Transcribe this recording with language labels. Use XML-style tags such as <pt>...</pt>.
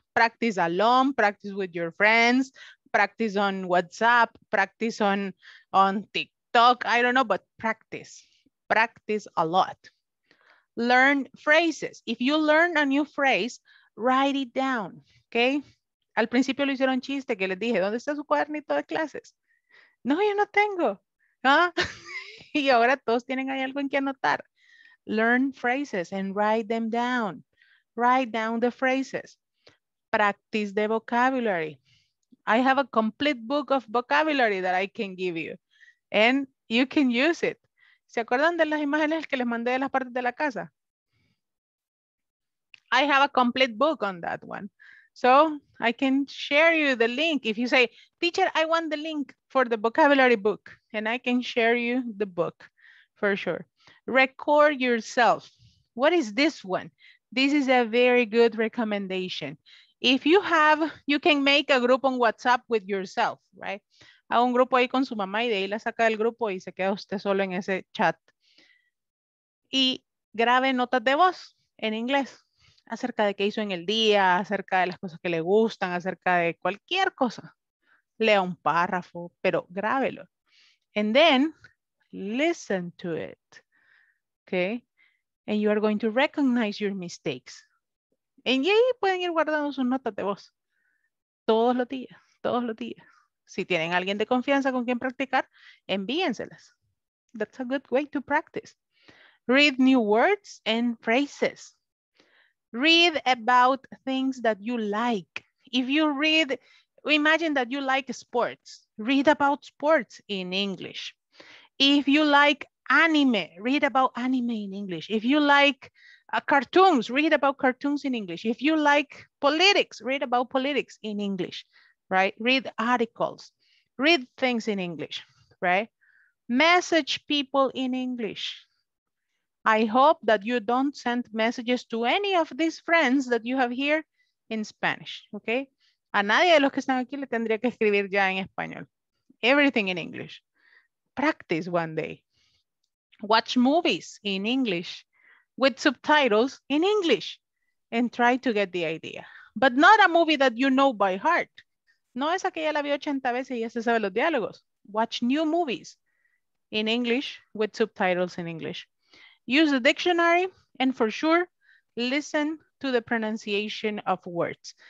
<en>Practice alone, practice with your friends, practice on WhatsApp, practice on TikTok, I don't know, but practice. Practice a lot. Learn phrases. If you learn a new phrase, write it down, okay?</en> <es>Al principio lo hicieron chiste que les dije, ¿dónde está su cuadernito de clases? No, yo no tengo. ¿Ah? Y ahora todos tienen ahí algo en que anotar.</es> <en>Learn phrases and write them down. Write down the phrases. Practice the vocabulary. I have a complete book of vocabulary that I can give you. And you can use it.</en> <es>¿Se acuerdan de las imágenes que les mandé de las partes de la casa?</es> <en>I have a complete book on that one. So I can share you the link. If you say, teacher, I want the link for the vocabulary book. And I can share you the book for sure. Record yourself. What is this one? This is a very good recommendation. If you have, you can make a group on WhatsApp with yourself, right?</en> <es>Haga un grupo ahí con su mamá y de ahí la saca del grupo y se queda usted solo en ese chat. Y grabe notas de voz en inglés acerca de qué hizo en el día, acerca de las cosas que le gustan, acerca de cualquier cosa. Lea un párrafo, pero grábelo.</es> <en>And then listen to it, okay? And you are going to recognize your mistakes.</en> <es>Y ahí pueden ir guardando sus notas de voz. Todos los días, todos los días. Si tienen alguien de confianza con quien practicar, envíenselas.</es> <en>That's a good way to practice. Read new words and phrases. Read about things that you like. If you read, imagine that you like sports. Read about sports in English. If you like anime, read about anime in English. If you like cartoons, read about cartoons in English. If you like politics, read about politics in English, right? Read articles, read things in English, right? Message people in English. I hope that you don't send messages to any of these friends that you have here in Spanish, okay?</en> <es>A nadie de los que están aquí le tendría que escribir ya en español.</es> <en>Everything in English. Practice one day. Watch movies in English with subtitles in English and try to get the idea. But not a movie that you know by heart.</en> <es>No es aquella la vi 80 veces y ya se sabe los diálogos.</es> <en>Watch new movies in English with subtitles in English. Use the dictionary and for sure, listen to the pronunciation of words.</en>